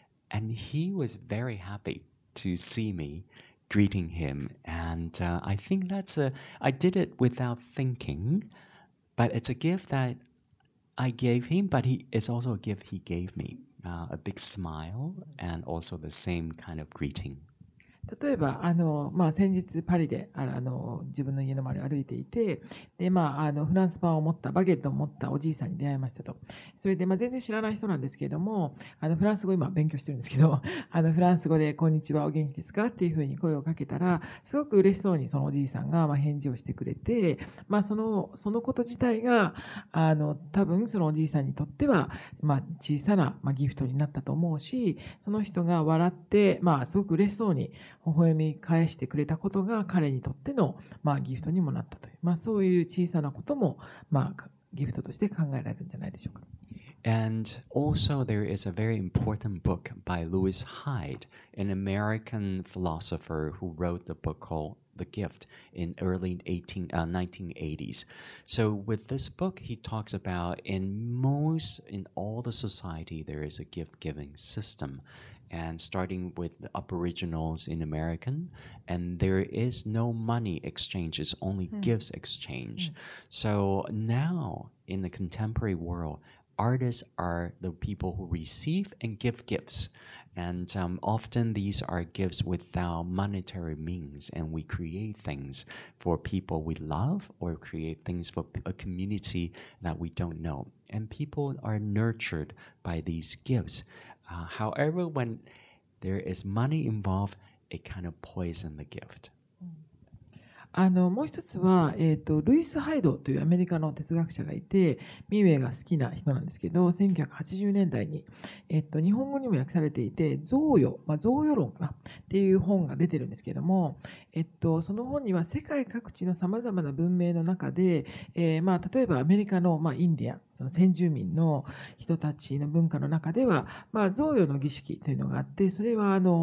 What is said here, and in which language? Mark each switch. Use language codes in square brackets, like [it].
[en] And he was very happy to see me greeting him. And I think that's a, I did it without thinking, but it's a gift that I gave him, but he, it's also a gift he gave me, a big smile and also the same kind of greeting. [ja] 例えばあの、まあ、先日パリで、あの自分の家の周りを歩いていて、で、まあ、あのフランスパンを持ったバゲットを持ったおじいさんに出会いましたと。それで、まあ、全然知らない人なんですけれども、あのフランス語今勉強してるんですけど、あのフランス語でこんにちは、お元気ですかっていうふうに声をかけたら、すごく嬉しそうにそのおじいさんが返事をしてくれて、まあ、そのこと自体があの多分そのおじいさんにとっては、まあ、小さな、まあ、ギフトになったと思うし、その人が笑って、まあ、すごく嬉しそうに微笑み返してくれたことが彼にとっての、まあ、ギフトにもなったという、まあ、そういう小さなことも、まあ、ギフトとして考えられるんじゃないでしょうか。 [en] And also there is a very important book by Lewis Hyde, an American philosopher who wrote the book called The Gift in early 1980s. So with this book he talks about in all the society there is a gift giving system. and starting with the aboriginals in American, and there is no money exchange, it's only gifts exchange. So now in the contemporary world, artists are the people who receive and give gifts. And often these are gifts without monetary means, and we create things for people we love or create things for a community that we don't know. And people are nurtured by these gifts. However, when there is money involved, it kind of poisons the gift. [ja] もう一つは、ルイス・ハイドというアメリカの哲学者がいて、ミーウェイが好きな人なんですけど、1980年代に、日本語にも訳されていて、贈与、まあ、贈与論かなっていう本が出てるんですけども、その本には世界各地のさまざまな文明の中で、まあ、例えばアメリカの、まあ、インディアン、その先住民の人たちの文化の中では、まあ、贈与の儀式というのがあって、それは